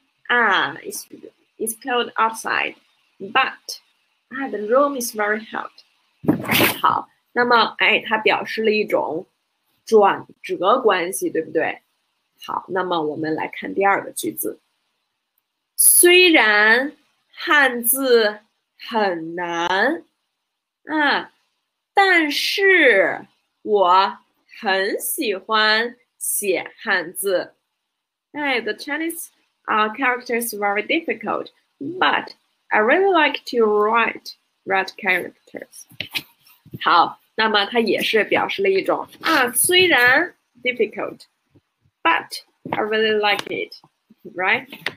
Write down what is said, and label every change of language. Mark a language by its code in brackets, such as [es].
[en] 啊，it's cold outside，but the room is very hot。 [zh] 好。那么，哎，它表示了一种转折关系，对不对？好，那么我们来看第二个句子。虽然汉字很难，但是我很喜欢写汉字。 [en] 哎，the Chinese characters are very difficult, but I really like to write characters。 [zh] 好。那么它也是表示了一种虽然 difficult， [en] but I really like it，right？